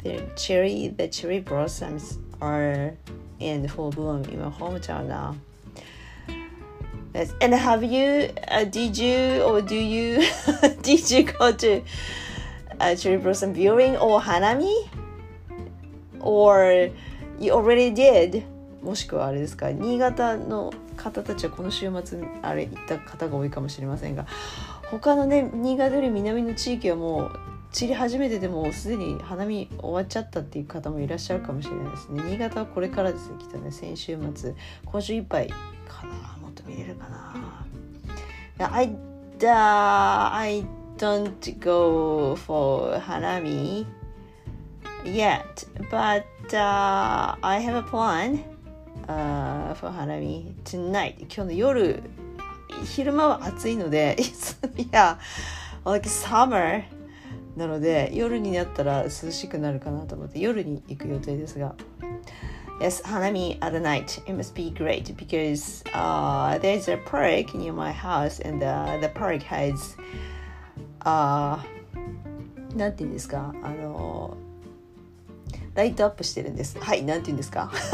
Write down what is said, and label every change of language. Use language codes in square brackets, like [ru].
[en] The cherry blossoms are in full bloom in your hometown now. Yes. And have you did you go to a cherry blossom viewing or hanami or? You already did. [ja] もしくはあれですか、新潟の方たちはこの週末あれ行った方が多いかもしれませんが、他のね、新潟より南の地域はもう散り始めてて、もうすでに花見終わっちゃったっていう方もいらっしゃるかもしれないですね。新潟はこれからですね、来たね、先週末、今週いっぱいかな、もっと見れるかな。 [en] I don't go for 花見yet, but I have a plan for hanami tonight. [ja] 今日の夜、昼間は暑いので、 yeah, like summer なので、夜になったら涼しくなるかなと思って夜に行く予定ですが。 [en] Yes, hanami at the night. It must be great because there's a park near my house and the park has なんて言うんですか、 [ja] ライトアップしてるんです。はい、なんて言うんですか。